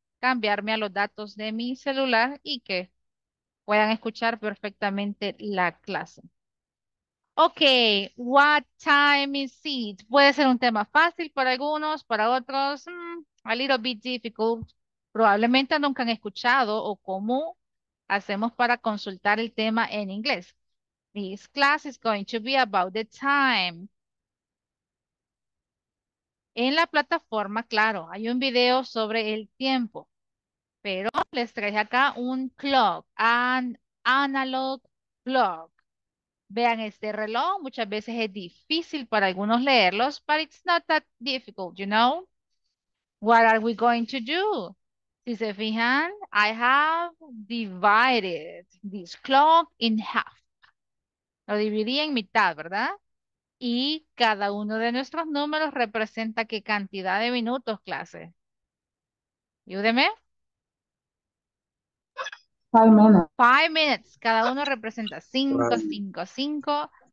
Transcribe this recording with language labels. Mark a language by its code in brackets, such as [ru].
[es] Cambiarme a los datos de mi celular y que puedan escuchar perfectamente la clase. [en] Ok, what time is it? [es] Puede ser un tema fácil para algunos, para otros, [en] a little bit difficult. [es] Probablemente nunca han escuchado o cómo hacemos para consultar el tema en inglés. [en] This class is going to be about the time. [es] En la plataforma, claro, hay un video sobre el tiempo, pero les traje acá un [en] clock, an analog clock. [es] Vean este reloj, muchas veces es difícil para algunos leerlos, [en] but it's not that difficult, you know? What are we going to do? [es] Si se fijan, [en] I have divided this clock in half. [es] Lo dividí en mitad, ¿verdad? Y cada uno de nuestros números representa qué cantidad de minutos, clase. Ayúdeme. [en] 5 minutes. 5 minutes. [es] Cada uno representa 5, 5, 5.